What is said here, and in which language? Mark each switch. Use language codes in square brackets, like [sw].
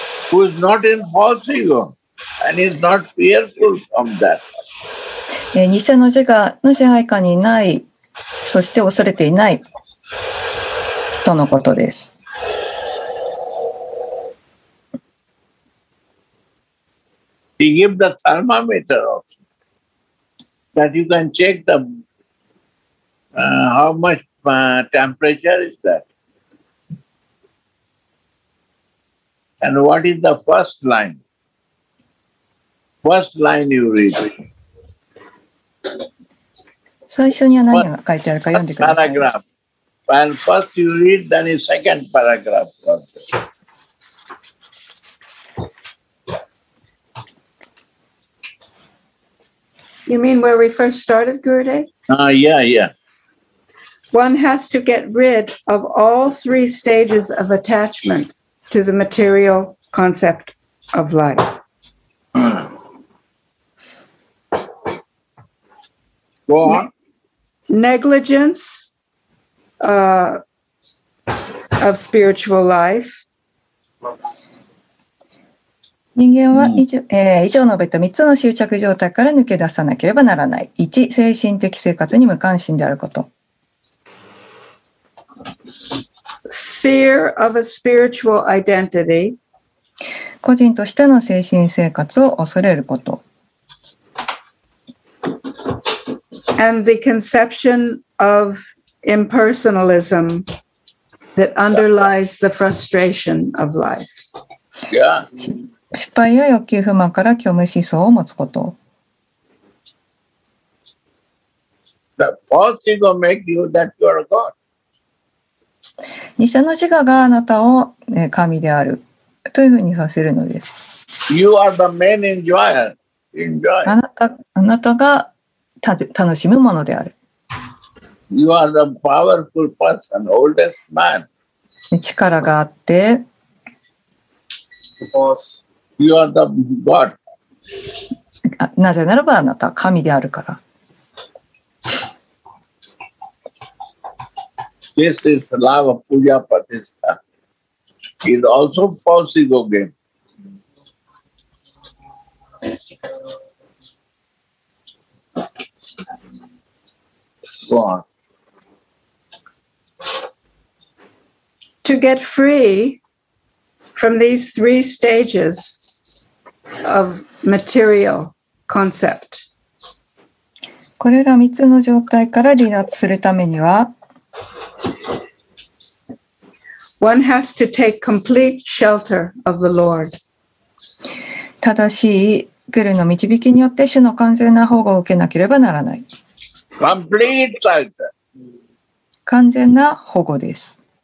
[en] Who is not in false ego and is not fearful from that? [ja] 偽の自我の支配下にない、そして恐れていない人のことです。 [en] He gave the thermometer also that you can check them. How much temperature is that? And what is the first line? First line you read. [ja] 最初には何が書いてあるか読んでください。 [en] First paragraph. Well, first you read, then the second paragraph. You mean where we first started, Gurudev? Yeah. One has to get rid of all three stages of attachment to the material concept of life. Go on. Negligence of spiritual life. [ja] 人間は以上述べた3つの執着状態から抜け出さなければならない。 1、精神的生活に無関心であること。 [en] Fear of a spiritual identity. [ja] 個人としての精神生活を恐れること。 [en] And the conception of impersonalism that underlies the frustration of life. Yeah. [ja] 失敗や欲求不満から虚無思想を持つこと。 [en] The false ego makes you that you are God. [ja] 偽の自我があなたを神であるというふうにさせるのです。 [en] You are the main enjoyer. Enjoy. [ja] あなたが楽しむものである。 [en] You are the powerful person, oldest man. [ja] 力があって。 [en] Because you are the God. [ja] なぜならばあなたは神であるから。 [en] This is love of Puja Patista. It's also false ego game. Go on. To get free from these three stages of material concept. [ja] これら3つの状態から離脱するためには [en] One has to take complete shelter of the Lord. [ja] 正しいグルの導きによって主の完全な保護を受けなければならない。 [en] Complete shelter. [ja] 完全な保護です。